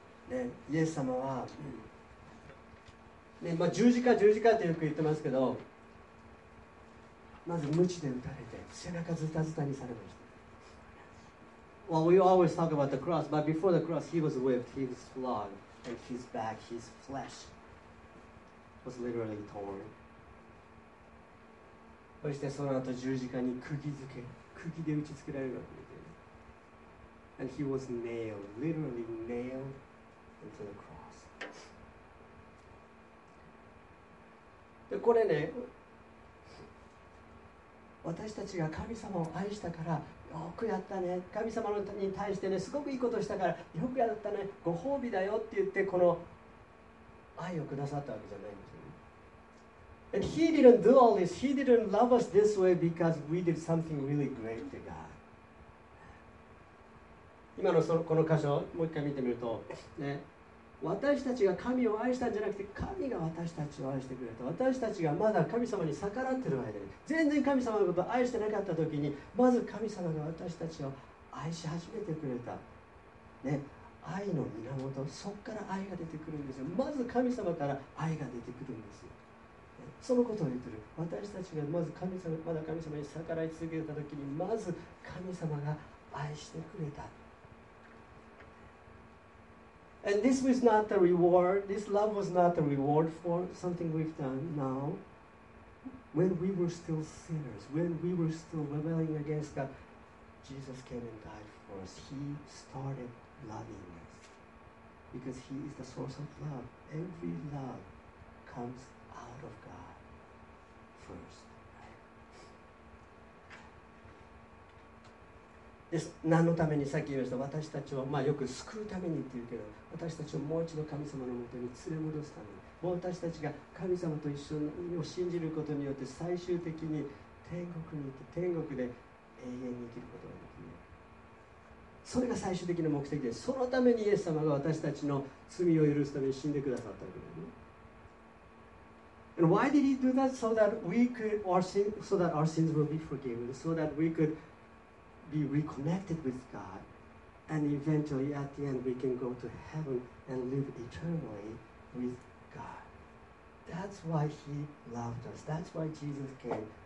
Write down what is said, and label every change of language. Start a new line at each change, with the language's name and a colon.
Japanese: ね、イエス様は、ねまあ、十字架十字架ってよく言ってますけど、まず鞭で打たれて背中ズタズタにされました。
English: Well, we always talk about the cross, but before the cross he was whipped, he was flogged, and his back, his flesh was literally torn.
Japanese: そしてその後十字架に釘付け、釘で打ち付けられるわけです。
English: And he was nailed, literally nailedInto the cross.
Japanese: でこれね、私たちが神様を愛したからよくやったね、神様に対してねすごくいいことしたからよくやったね、ご褒美だよって言ってこの愛をくださったわけじゃないんですよね。
English: And he didn't do all this. He didn't love us this way because we did something really great to God.
Japanese: 今のそのこの箇所をもう一回見てみると、ね、私たちが神を愛したんじゃなくて神が私たちを愛してくれた。私たちがまだ神様に逆らってる間に、全然神様のことを愛してなかった時にまず神様が私たちを愛し始めてくれた、ね、愛の源、そっから愛が出てくるんですよ。まず神様から愛が出てくるんですよ、ね、そのことを言ってる。私たちがまず神様、まだ神様に逆らい続けた時にまず神様が愛してくれた。
English: And this was not the reward. This love was not the reward for something we've done now. When we were still sinners, when we were still rebelling against God, Jesus came and died for us. He started loving us. Because he is the source of love. Every love comes out of God first.
Japanese: です。何のために、さっき言いました、私たちを、まあ、よく救うためにって言うけど、私たちをもう一度神様のもとに連れ戻すために、もう私たちが神様と一緒を信じることによって最終的に天国に行って天国で永遠に生きることができる。それが最終的な目的で、そのためにイエス様が私たちの罪を許すために死んでくださったわけだよ
English: ね。And why did he do that? So that our sins will be forgiven, so that we couldbe reconnected with God and eventually at the end we can go to heaven and live eternally with God. That's why he loved us. That's why Jesus came to die for us.